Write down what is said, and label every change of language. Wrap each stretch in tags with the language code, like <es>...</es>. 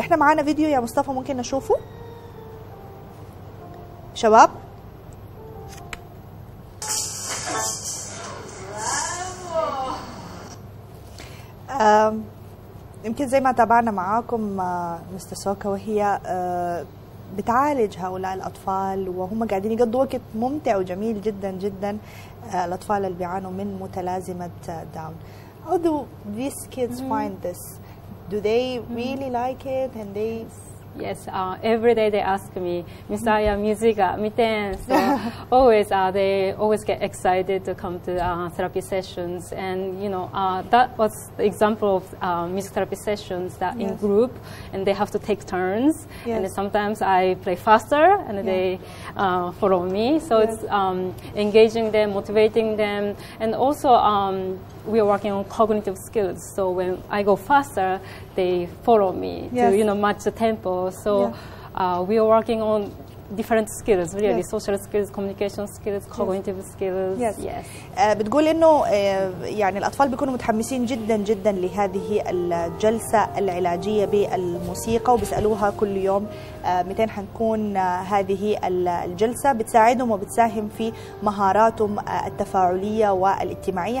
<ar>إحنا معانا فيديو يا مصطفى، ممكن نشوفه شباب؟ يمكن زي ما تابعنا معاكم مستسوكا وهي بتعالج هؤلاء الأطفال، وهم قاعدين يقضوا وقت ممتع وجميل جدا جدا. الأطفال اللي بيعانوا من متلازمة داون.</ar> <en>How do these kids find this? Do they really like it and they Yes, every day they ask me, Misaya, Mizuga, Miten. So always, they always get excited to come to therapy sessions. And, you know, that was the example of music therapy sessions that yes. in group, and they have to take turns. Yes. And sometimes I play faster, and yeah. they follow me. So yes. it's engaging them, motivating them. And also, we are working on cognitive skills. So when I go faster, they follow me yes. to, you know, match the tempo. So yeah. We are working on different skills, really, yes. social skills, communication skills, cognitive yes. skills. Yes. yes.</en> <ar>بتقول إنه يعني الأطفال بيكونوا متحمسين جداً جداً لهذه الجلسة العلاجية بالموسيقى وبيسألوها كل يوم متين حنكون هذه الجلسة بتساعدهم وبتساهم في مهاراتهم التفاعلية والاجتماعية.</ar>